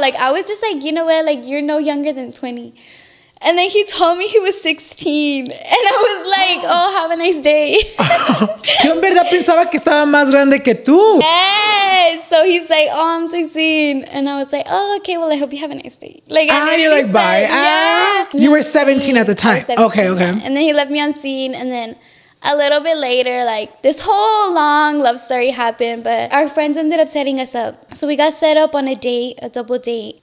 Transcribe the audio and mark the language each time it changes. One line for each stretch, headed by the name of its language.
English: Like, I was just like, you know what? Like, you're no younger than 20. And then he told me he was 16. And I was like, oh, have a nice day.
Spanish: Yo en verdad pensaba que estaba más grande que tú.
English: Yes. So he's like, oh, I'm 16. And I was like, oh, okay, well, I hope you have a nice day. Like, ah, you're like, bye. Yeah. You were 17 at the time. Okay, okay. And then he left me on scene. And then a little bit later, like, this whole long love story happened. But our friends ended up setting us up. So we got set up on a date, a double date.